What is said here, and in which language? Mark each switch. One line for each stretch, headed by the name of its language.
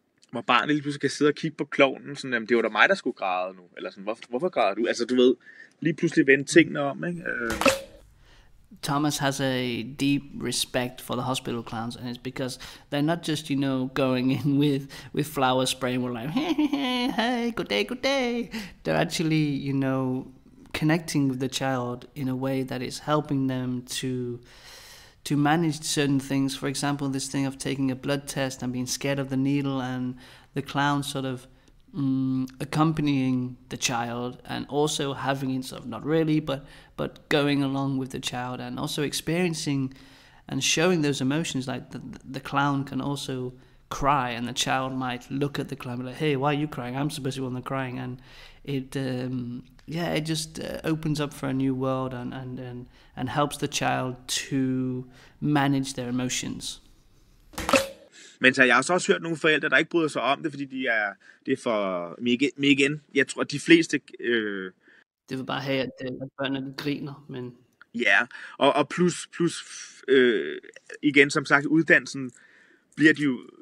Danish: Hvor barnet lige pludselig kan sidde og kigge på klovnen, sådan, jamen, det var da mig, der skulle græde nu, eller sådan, hvorfor græder du, altså du ved, lige pludselig vende tingene om, ikke?
English: Thomas has a deep respect for the hospital clowns, and it's because they're not just, you know, going in with flower spray and we're like, hey, good day. They're actually, you know, connecting with the child in a way that is helping them to manage certain things. For example, this thing of taking a blood test and being scared of the needle, and the clown sort of accompanying the child and also having it sort of not really but going along with the child and also experiencing and showing those emotions, like the clown can also cry and the child might look at the clown and be like, hey, why are you crying? I'm supposed to be the one crying. And it just opens up for a new world and helps the child to manage their emotions.
Danish: Men så jeg har også hørt nogle forældre, der ikke bryder sig om det, fordi det er for mig igen. Jeg tror, at de fleste... Det vil bare have, at børnene griner, men... Ja, og plus igen, som sagt, uddannelsen bliver de jo...